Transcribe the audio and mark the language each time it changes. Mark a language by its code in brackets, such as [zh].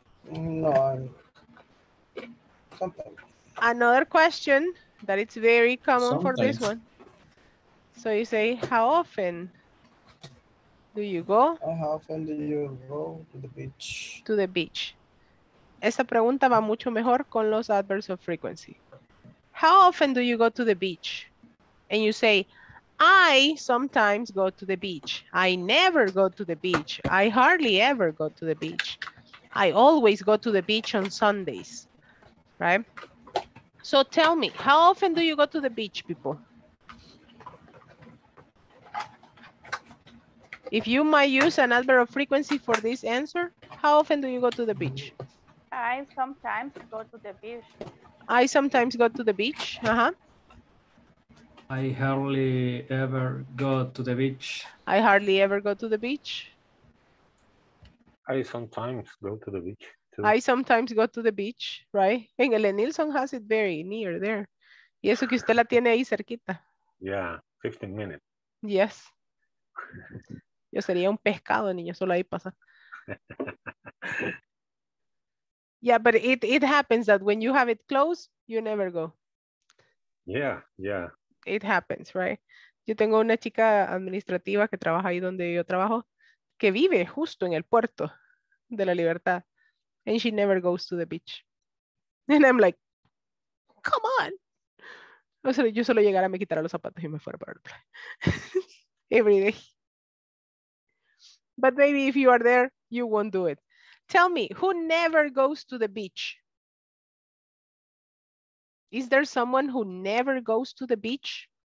[en] No, sometimes. Another question that it's very common sometimes. For this one. So you say, how often do you go? How often do you go to the beach? To the beach. [es] Esa pregunta va mucho mejor con los [en] adverbs of frequency. How often do you go to the beach? And you say, I sometimes go to the beach. I never go to the beach. I hardly ever go to the beach. I always go to the beach on Sundays, right? So tell me, how often do you go to the beach, people? If you might use an adverb of frequency for this answer, how often do you go to the beach? I sometimes go to the beach. I sometimes go to the beach, uh-huh. I hardly ever go to the beach. I hardly ever go to the beach. I sometimes go to the beach too. I sometimes go to the beach, right? Engel Nilsson has it very near there. [es] Y eso que usted la tiene ahí cerquita. [en] Yeah, 15 minutes. Yes. [es] Yo sería un pescado, niño, solo ahí pasa. [en] Yeah, but it happens that when you have it close, you never go. Yeah, yeah. It happens, right? [es] Yo tengo una chica administrativa que trabaja ahí donde yo trabajo, que vive justo en el puerto de la Libertad. [en] And she never goes to the beach. And I'm like, come on. [es] O sea, yo solo llegara, me quitara los zapatos y me fuera para el play. [en] Every day. But maybe if you are there, you won't do it. Tell me, who never goes to the beach? Is there someone who never goes to the beach?